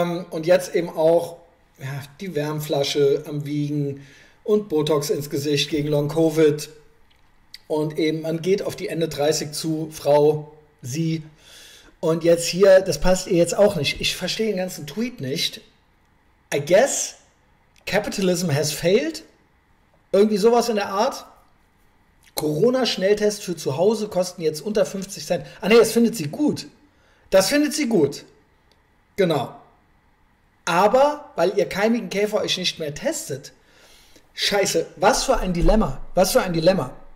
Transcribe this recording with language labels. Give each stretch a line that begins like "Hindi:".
German: Und jetzt eben auch ja, die Wärmflasche am Wiegen und Botox ins Gesicht gegen Long-Covid. Und eben, man geht auf die Ende 30 zu, Frau, sie. Und jetzt hier, das passt ihr jetzt auch nicht. Ich verstehe den ganzen Tweet nicht.
English: I guess capitalism has failed.
German: Irgendwie sowas in der Art. Corona-Schnelltest für zu Hause kosten jetzt unter 50 Cent. Ah nee, das findet sie gut. Das findet sie gut. Genau. Aber weil ihr keimigen Käfer euch nicht mehr testet. Scheiße, was für ein Dilemma. Was für ein Dilemma.